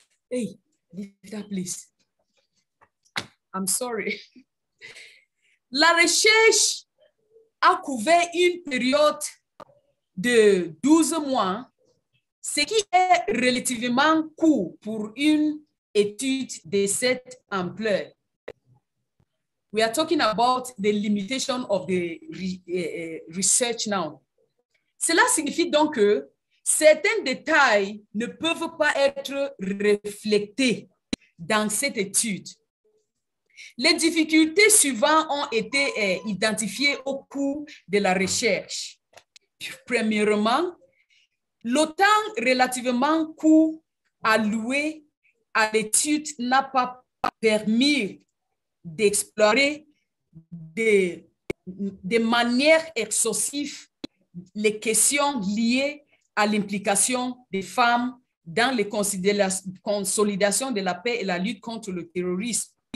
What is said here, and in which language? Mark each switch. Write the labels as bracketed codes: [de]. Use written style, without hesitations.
[en] Hey, Lita, please. I'm sorry. [fr] La recherche a couvert une période de 12 mois, ce qui est relativement court pour une étude de cette ampleur. [en] We are talking about the limitation of the research now. [fr] Cela signifie donc que certains détails ne peuvent pas être reflétés dans cette étude. Les difficultés suivantes ont été identifiées au cours de la recherche. Premièrement, le temps relativement court alloué à l'étude n'a pas permis d'explorer de manière exhaustive les questions liées à l'implication des femmes dans les consolidations de la paix et la lutte contre le terrorisme.